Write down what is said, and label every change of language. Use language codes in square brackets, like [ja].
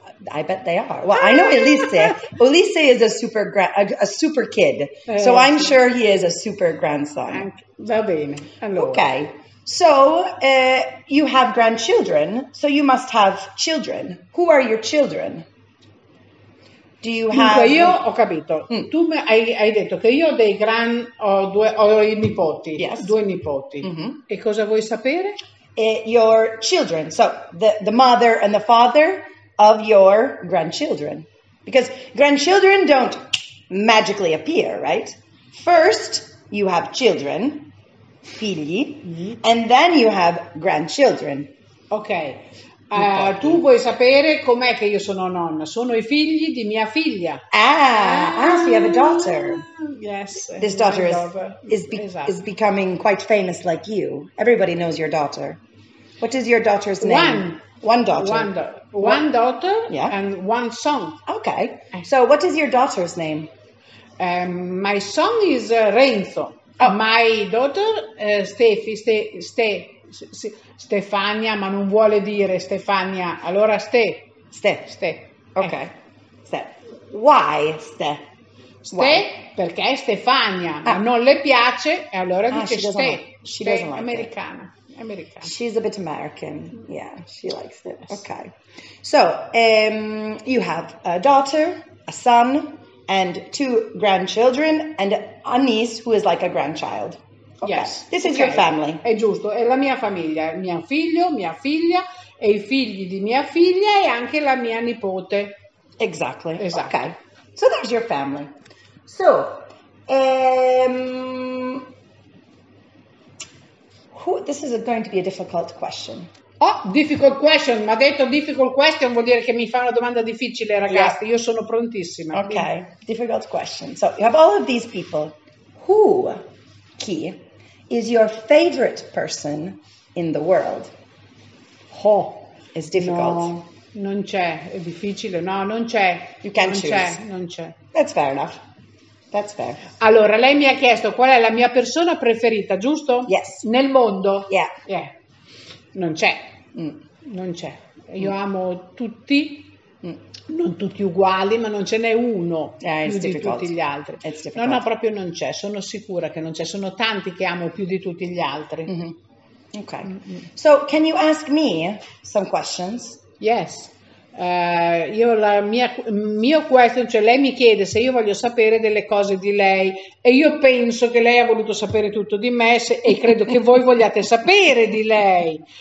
[en] I bet they are. Well, I know Ulisse. Ulisse is a super a super kid. So I'm sure he is a super grandson. [it] Va bene. Allora. [en] Okay. So, you have grandchildren, so you must have children. Who are your children? Do you have... [it] Dunque, io ho capito. Mm. Tu hai detto che io ho dei gran... ho i nipoti. [en] Yes. [it] Due nipoti. Mm-hmm. E cosa vuoi sapere? [en] Your children. So, the mother and the father of your grandchildren. Because grandchildren don't magically appear, right? First, you have children... figli, and then you have grandchildren. [it] Ok, tu vuoi sapere com'è che io sono nonna? Sono i figli di mia figlia. [en] So you have a daughter. Yes. This daughter is becoming quite famous like you. Everybody knows your daughter. What is your daughter's name? One daughter. One daughter and one son. Ok, so what is your daughter's name? My son is Renzo. Oh. My daughter, [it] Stefania, ma non vuole dire Stefania, allora Ste. [en] Ste. Ok. Ste. Why Ste? [it] Ste, perché è Stefania, ma non le piace, e allora dice Ste, like americana. [en] American. She's a bit American. Yeah, she likes it. Yes. Okay. So, you have a daughter, a son, and two grandchildren, and a niece who is like a grandchild. Okay. Yes. This is okay. Your family. [it] È giusto. È la mia famiglia. Mio figlio, mia figlia, e i figli di mia figlia, e anche la mia nipote. [en] Exactly. [it] Esatto. [en] Okay. So, there's your family. So, this is going to be a difficult question. Oh, difficult question. [it] Ma detto [en] difficult question [it] vuol dire che mi fa una domanda difficile, ragazzi. Yeah. Io sono prontissima. [en] Okay, quindi. Difficult question. So, you have all of these people. Who, chi, is your favorite person in the world? Ho, is difficult. [it] No, non c'è. È difficile. No, non c'è. [en] You can't [it] non [en] choose. [it] Non c'è. [en] That's fair enough. That's fair. [it] Allora, lei mi ha chiesto qual è la mia persona preferita, giusto? [en] Yes. [it] Nel mondo? [en] Yeah. [it] Yeah. Non c'è. Non c'è. Io amo tutti, non tutti uguali, ma non ce n'è uno più di tutti gli altri. [en] It's difficult. [it] No, no, proprio non c'è. Sono sicura che non c'è. Sono tanti che amo più di tutti gli altri. Mm-hmm. Okay. Mm-hmm. [en] So, can you ask me some questions? Yes. [it] Io la mia mio question, cioè lei mi chiede se io voglio sapere delle cose di lei e io penso che lei ha voluto sapere tutto di me se, e credo che voi vogliate sapere di lei.